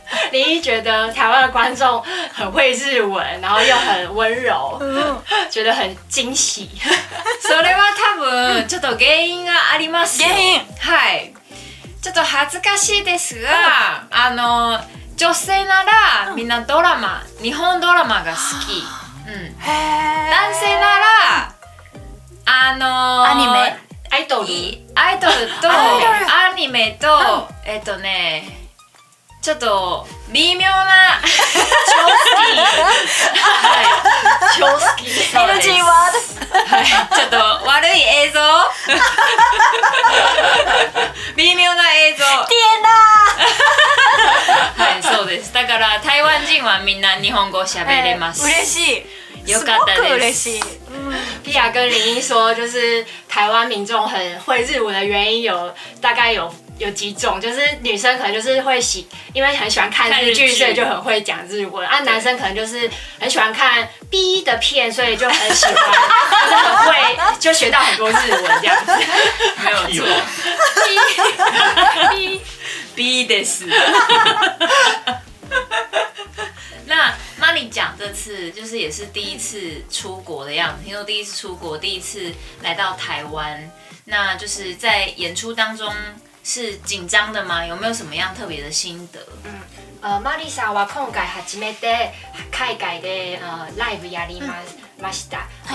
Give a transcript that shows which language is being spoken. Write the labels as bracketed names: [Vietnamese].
[Chinese] 林一觉得台湾的观众很会日文，然后又很温柔，觉得很惊喜。 [Japanese] それは多分ちょっと原因がありますよ。原因。はい。ちょっと恥ずかしいですが、あの女性ならみんなドラマ、日本ドラマが好き。男性なら、アニメ、アイドル、アイドルとアニメと、ね、ちょっと微妙な超好き、はい、超好き、そうです。NG ワード、ちょっと悪い映像、微妙な映像、 [Chinese] 天哪、 [Japanese] はい、そうです。だから台湾人はみんな日本語喋れます。嬉しい。よかったです。すごく嬉しい。 [Chinese] ピア跟林英说，就是台湾民众很会日文的原因有大概有几种，就是女生可能就是会喜，因为很喜欢看日剧，所以就很会讲日文啊。男生可能就是很喜欢看 B 的片，所以就很喜欢，就很会就学到很多日文这样子。没有错。 B [Japanese] です。 [Chinese] 那妈咪讲这次就是也是第一次出国的样子，听说第一次出国，第一次来到台湾，那就是在演出当中是紧张的吗？有没有什么样特别的心得？ [Japanese] マリさんは今回初めて海外でライブやりました。